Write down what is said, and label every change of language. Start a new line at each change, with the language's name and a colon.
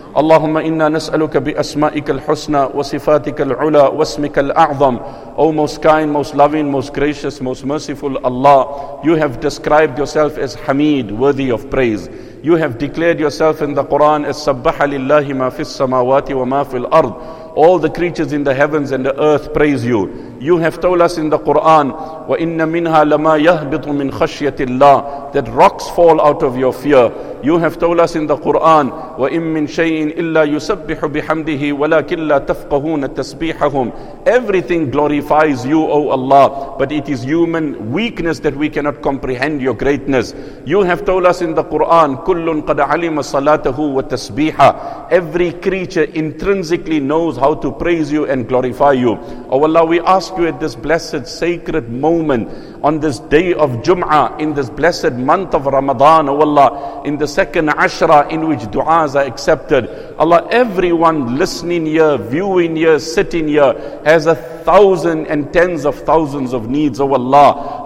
Arabic: اللهم إنا نسألك بأسمائك الحسنى وصفاتك العلى واسمك الأعظم.
English: O most kind, most loving, most gracious, most merciful Allah, you have described yourself as Hamid, worthy of praise. You have declared yourself in the Quran as
Arabic: سَبَّحَ لِلَّهِ مَا فِي السَّمَاوَاتِ وَمَا فِي الْأَرْضِ.
English: All the creatures in the heavens and the earth praise you. You have told us in the Quran,
Arabic: وَإِنَّ مِنْهَا لَمَا يَهْبِطُ مِنْ خَشْيَةِ اللَّهِ,
English: that rocks fall out of your fear. You have told us in the Quran,
Arabic: وَإِن مِّن شَيْءٍ إِلَّا يُسَبِّحُ بِحَمْدِهِ وَلَكِنْ لَا تَفْقَهُونَ تَسْبِيحَهُمْ.
English: Everything glorifies you, O Allah, but it is human weakness that we cannot comprehend your greatness. You have told us in the Quran,
Arabic: كُلٌّ قَدْ عَلِمَ صَلَاتَهُ وَتَسْبِيحَهُ.
English: Every creature intrinsically knows how to praise you and glorify you. O Allah, we ask you at this blessed sacred moment, on this day of Jum'ah, in this blessed month of Ramadan, O Allah, in the second Ashra in which du'as are accepted, Allah, everyone listening here, viewing here, sitting here, has a thousand and tens of thousands of needs, O Allah.